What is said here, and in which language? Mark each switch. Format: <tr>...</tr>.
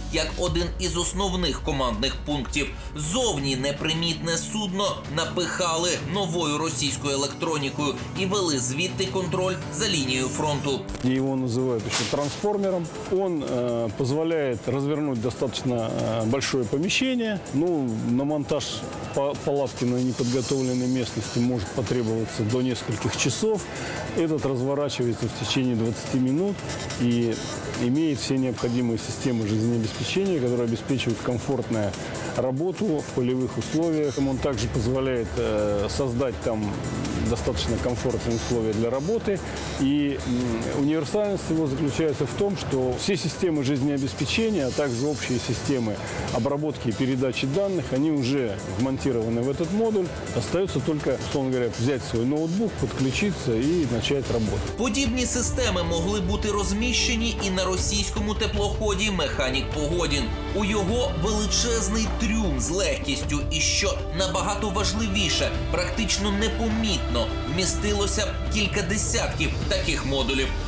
<uk>як один із основних командних пунктів. Зовні непримітне судно напихали новою російською електронікою і вели звідти контроль за лінією фронту. Його називають ще трансформером. Він дозволяє розвернути достатньо велике приміщення. Ну, на монтаж палатки на непідготовленій місцевості може потребуватися</uk> <ru>до нескольких часов. Этот разворачивается в течение 20 минут и имеет все необходимые системы жизнеобеспечения, которые обеспечивают комфортную работу в полевых условиях. Он также позволяет создать там достаточно комфортные условия для работы. И универсальность его заключается в том, что все системы жизнеобеспечения, а также общие системы обработки и передачи данных, они уже вмонтированы в этот модуль. Остается только, условно говоря, взять свой ноутбук, подключиться и начать работать. Подобные системы могли быть размещены и</ru> <uk>на російському теплоході</uk> <ru>«Механік Погодін».</ru> <uk>У його величезний трюм з легкістю і, що набагато важливіше, практично непомітно вмістилося кілька десятків таких модулів.</uk>